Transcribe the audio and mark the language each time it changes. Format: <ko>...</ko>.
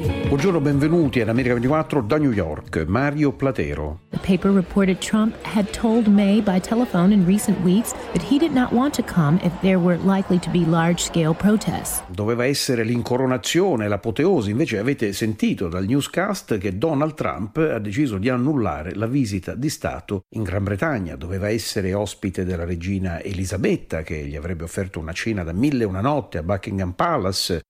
<it>Buongiorno, benvenuti ad America 24 da New York. Mario Platero.</it> <en>The paper reported Trump had told May by telephone in recent weeks that he did not want to come if there were likely to be large-scale protests.</en> <it>Doveva essere l'incoronazione, l'apoteosi. Invece avete sentito dal newscast che Donald Trump ha deciso di annullare la visita di Stato in Gran Bretagna. Doveva essere ospite della regina Elisabetta, che gli avrebbe offerto una cena da mille una notte a Buckingham Palace.</it>